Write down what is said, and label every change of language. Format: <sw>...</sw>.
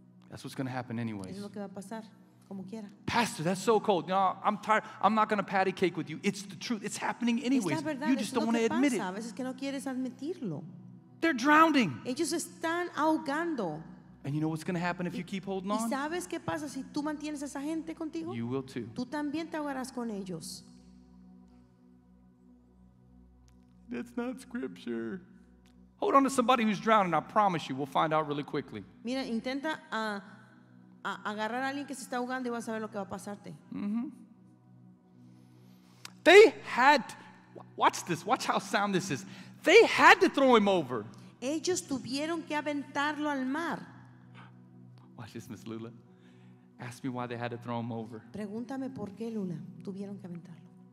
<en>That's what's going to happen anyways.</en> <es>Es lo que va a pasar.</es> <en>Pastor, that's so cold. No, I'm tired. I'm not going to patty cake with you. It's the truth. It's happening anyways. You just don't want to admit it.</en> <es>A veces que no quieres admitirlo.</es> <en>They're drowning.</en> <es>Ellos están ahogando.</es> <en>And you know what's going to happen if you keep holding on?</en> <es>¿Y sabes qué pasa si tú mantienes a esa gente contigo?</es> <en>You will too.</en> <es>Tú también te ahogarás con ellos.</es> <en>That's not scripture. Hold on to somebody who's drowning. I promise you, we'll find out really quickly.</en> <es>Mira, intenta a agarrar a alguien que se está ahogando y vas a ver lo que va a pasarte.</es> <en>They had, watch this, watch how sound this is. They had to throw him over.</en> <es>Ellos tuvieron que aventarlo al mar.</es> <en>Watch this, Miss Lula. Ask me why they had to throw him over.</en> <es>Pregúntame por qué, Lula, tuvieron que aventarlo.</es>